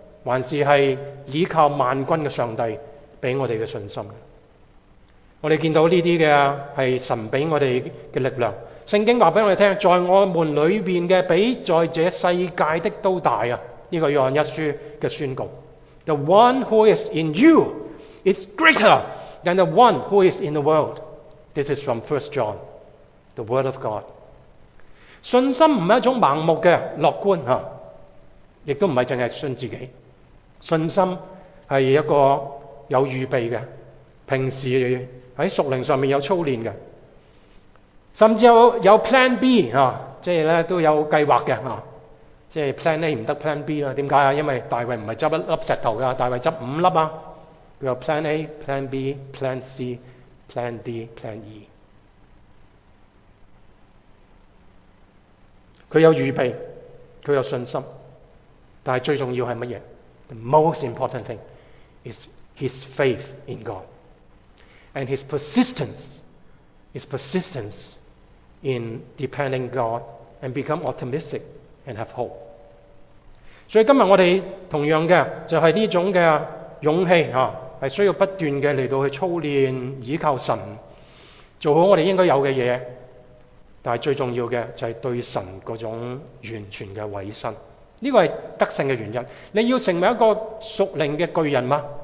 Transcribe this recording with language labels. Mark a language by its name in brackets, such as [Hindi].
[Chinese] 还是是依靠万军的上帝给我们的信心？我们看到这些是神给我们的力量。圣经告诉我们，在我们里面的比在这世界的都大，这个约翰一书的宣告。 [English] The one who is in you is greater than the one who is in the world. This is from 1 John, the word of God. [Chinese] 信心不是一种盲目的乐观，也不是只是信自己。信心是一个有预备的，平时在属灵上面有操练的，甚至 有 plan B, 即是都有计划的。即是 plan A 不得 plan B, 为什么？因为大卫不是执一粒石头的，大卫执五粒。有 Plan A, Plan B, Plan C, Plan D, Plan E。他有预备，他有信心，但是最重要是什么？ [English] The most important thing is his faith in God and his persistence, his persistence in depending God and become optimistic and have hope。 [Chinese] 所以今天我们同样的就是这种的勇气、是需要不断的来到去操练倚靠神，做好我们应该有的事，但是最重要的就是对神那种完全的委身。这个是得胜的原因。你要成为一个属灵的巨人吗？